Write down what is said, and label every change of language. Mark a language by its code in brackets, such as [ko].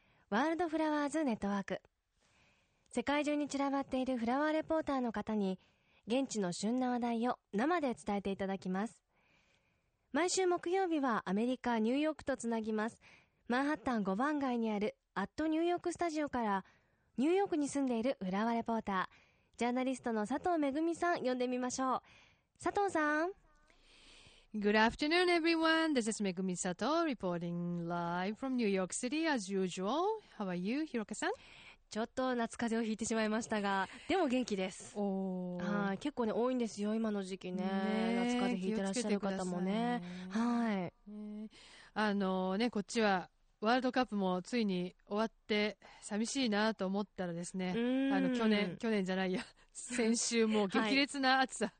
[ja] ワールドフラワーズネットワーク。世界中に散らばっているフラワーレポーターの方に現地の旬な話題を生で伝えていただきます。毎週木曜日はアメリカ・ニューヨークとつなぎます。マンハッタン5番街にあるアットニューヨークスタジオからニューヨークに住んでいるフラワーレポータージャーナリストの佐藤めぐみさん呼んでみましょう。佐藤さん。 [en] Good afternoon everyone. This is Megumi Sato reporting live from New York City as usual. How are you, Hiroka-san? [ja] ちょっと夏風邪をひいてしまいましたが、でも元気です。お、はい、結構ね多いんですよ今の時期 ね夏風邪ひいてらっしゃる方もね。はい、あのね、こっちはワールドカップもついに終わって寂しいなと思ったらですね、あの去年じゃないや、先週も激烈な暑さ、は